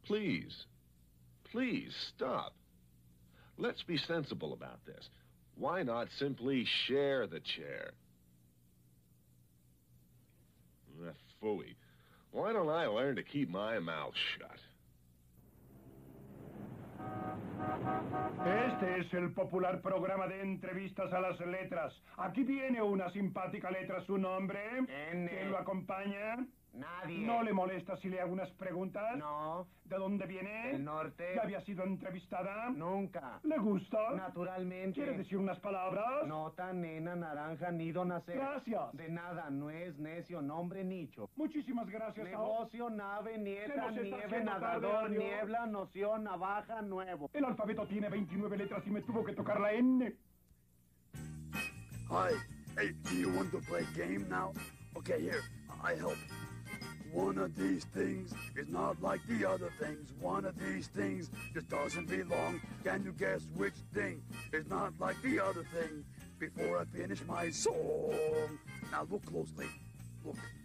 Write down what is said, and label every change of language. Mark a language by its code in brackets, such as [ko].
[en] Please. Please stop. Let's be sensible about this. Why not simply share the chair? Phooey. Why don't I learn to keep my mouth shut? [es] Este es el popular programa de entrevistas a las letras. Aquí viene una simpática letra. ¿Su nombre? N. ¿Quién lo acompaña? Nadie. ¿No le molesta si le hago unas preguntas? No. ¿De dónde viene? Del norte. ¿Ya había sido entrevistada? Nunca. ¿Le gusta? Naturalmente. ¿Quiere decir unas palabras? Nota, nena, naranja, nido, nacer. Gracias. De nada, nuez, necio, nombre, nicho. Muchísimas gracias. Negocio, a... nave, nieta, nieve, nadador, tarde, niebla, noción, navaja, nuevo. El alfabeto tiene 29 letras y me tuvo que tocar la N. [en] Hi. Hey, do you want to play a game now? Okay, here, I help. One of these things is not like the other things. One of these things just doesn't belong. Can you guess which thing is not like the other thing? Before I finish my song. Now look closely. Look.